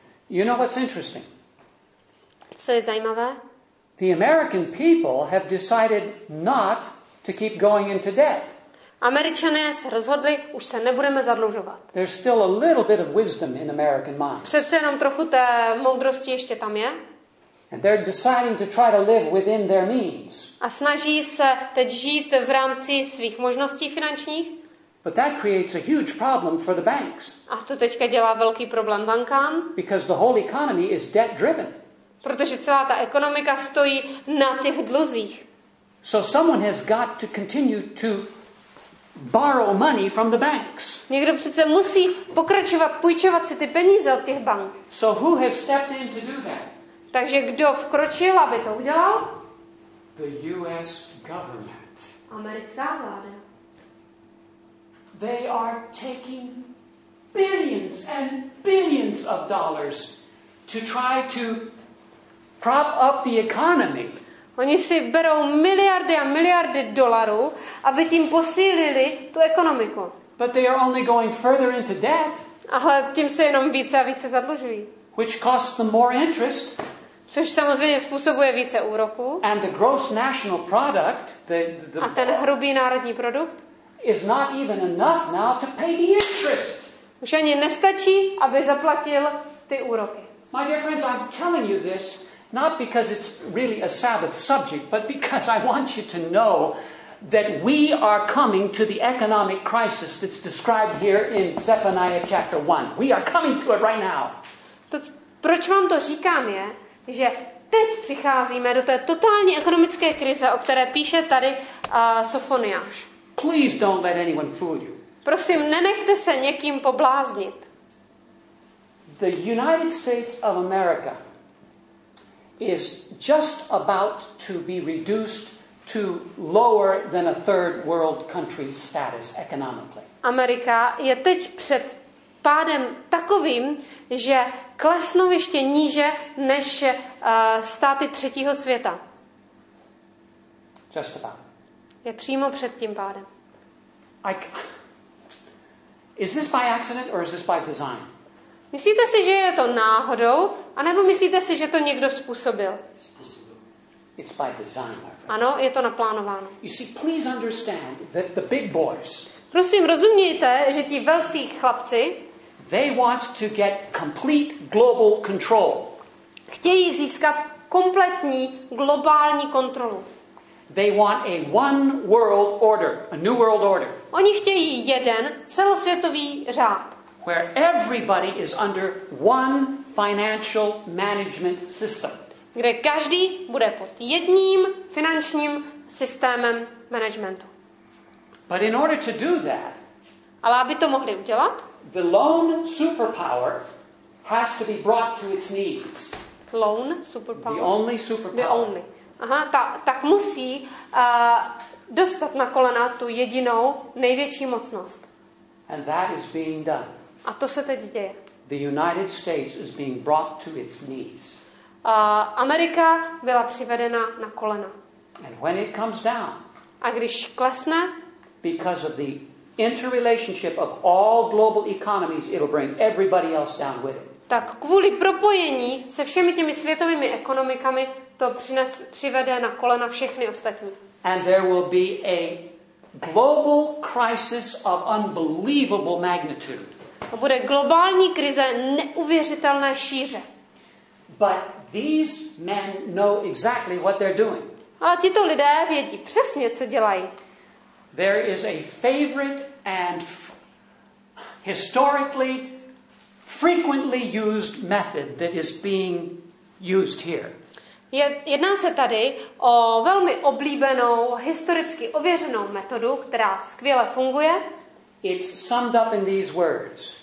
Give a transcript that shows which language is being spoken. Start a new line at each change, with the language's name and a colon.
English: You know what's interesting?
Czech: Co je zajímavé?
English: The American people have decided not to keep going into debt.
Czech: Američané se rozhodli, už se nebudeme zadlužovat.
English: There's still a little bit of wisdom in American mind.
Czech: Přece jenom trochu té moudrosti ještě tam je.
English: And they're deciding to try to live within their means.
Czech: A snaží se teď žít v rámci svých možností finančních.
English: But that creates a huge problem for the banks.
Czech: A to teďka dělá velký problém bankám.
English: Because the whole economy is debt driven.
Czech: Protože celá ta ekonomika stojí na těch dluzích.
English: So someone has got to continue to borrow money from the banks.
Czech: Někdo přece musí pokračovat půjčovat si ty peníze od těch bank.
English: So who has stepped in to do that?
Czech: Takže kdo vkročil, aby to udělal?
English: The US government.
Czech: Americká vláda.
English: They are taking billions and billions of dollars to try to prop up the economy.
Czech: Oni si berou miliardy a miliardy dolarů, aby tím posílili tu ekonomiku.
English: But they are only going further into debt.
Czech: Ale tím se jenom více a více zadlužují.
English: Which costs them more interest.
Czech: Což samozřejmě způsobuje více úroků.
English: And the gross national product,
Czech: a ten hrubý národní produkt,
English: is not even enough now to pay the interest.
Czech: Už ani nestačí, aby zaplatil ty úroky.
English: My dear friends, I'm telling you this not because it's really a Sabbath subject, but because I want you to know that we are coming to the economic crisis that's described here in Zephaniah chapter 1. We are coming to it right now.
Czech: To, proč vám to říkám je, že teď přicházíme do té totální ekonomické krize, o které píše tady Sofoniáš.
English: Please don't let anyone fool you.
Czech: Prosím, nenechte se někým pobláznit.
English: The United States of America is just about to be reduced to lower than a third world country status economically.
Czech: Amerika je teď před pádem takovým, že klesnou ještě níže než státy třetího světa.
English: Just about.
Czech: Je přímo před tím pádem.
English: Is this by accident or is this by design?
Czech: Myslíte si, že je to náhodou, anebo myslíte si, že to někdo způsobil?
English: It's by design, my friend.
Czech: Ano, je to naplánováno.
English: You see, please understand that the big boys.
Czech: Prosím, rozumějte, že ti velcí chlapci.
English: They want to get complete global control.
Czech: Chtějí získat kompletní globální kontrolu.
English: They want a one world order, a new world order.
Czech: Oni chtějí jeden celosvětový řád.
English: Where everybody is under one financial management system.
Czech: Kde každý bude pod jedním finančním systémem managementu.
English: But in order to do that,
Czech: ale aby to mohli udělat,
English: the lone superpower has to be brought to its knees. Lone superpower. The only superpower. The only.
Czech: Aha, tak musí dostat na kolena tu jedinou největší mocnost.
English: And that is being done.
Czech: A to se teď děje.
English: The United States is being brought to its knees.
Czech: Amerika byla přivedena na kolena.
English: And when it comes down,
Czech: a když klesne,
English: because of the interrelationship of all global economies, it'll bring everybody else down with it.
Czech: Tak kvůli propojení se všemi těmi světovými ekonomikami to přivede na kolena všechny ostatní.
English: And there will be a global crisis of unbelievable magnitude.
Czech: A bude globální krize neuvěřitelné šíře.
English: But these men know exactly what they're doing.
Czech: Ale tito lidé vědí přesně, co dělají.
English: There is a favorite and historically frequently used method that is being used here.
Czech: Jedná se tady o velmi oblíbenou, historicky ověřenou metodu, která skvěle funguje.
English: It's summed up in these words.